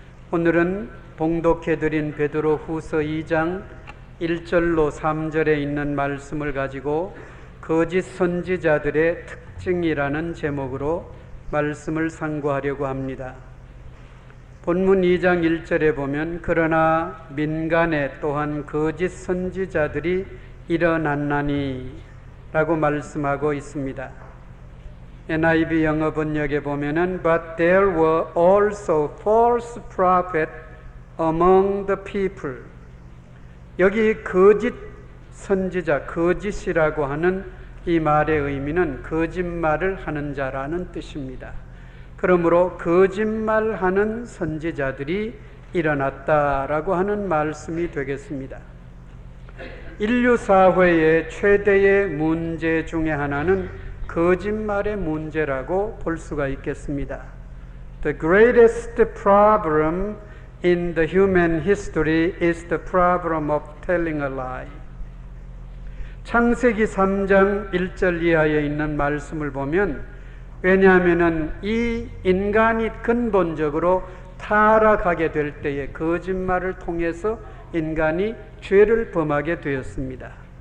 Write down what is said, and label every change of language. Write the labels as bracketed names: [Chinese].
[Korean] 오늘은 봉독해드린 베드로 후서 2장 1절로 3절에 있는 말씀을 가지고 거짓 선지자들의 특징이라는 제목으로 말씀을 상고하려고 합니다. 본문 2장 1절에 보면 그러나 민간에 또한 거짓 선지자들이 일어났나니 라고 말씀하고 있습니다. NIV 영어 번역에 보면은 [English] But there were also false prophets among the people. [Korean] 여기 거짓 선지자, 거짓이라고 하는 이 말의 의미는 거짓말을 하는 자라는 뜻입니다. 그러므로 거짓말하는 선지자들이 일어났다라고 하는 말씀이 되겠습니다. 인류 사회의 최대의 문제 중에 하나는 거짓말의 문제라고 볼 수가 있겠습니다. [English] The greatest problem in the human history is the problem of telling a lie. [Korean] 창세기 3장 1절 이하에 있는 말씀을 보면 왜냐하면 이 인간이 근본적으로 타락하게 될 때에 거짓말을 통해서 인간이 죄를 범하게 되었습니다.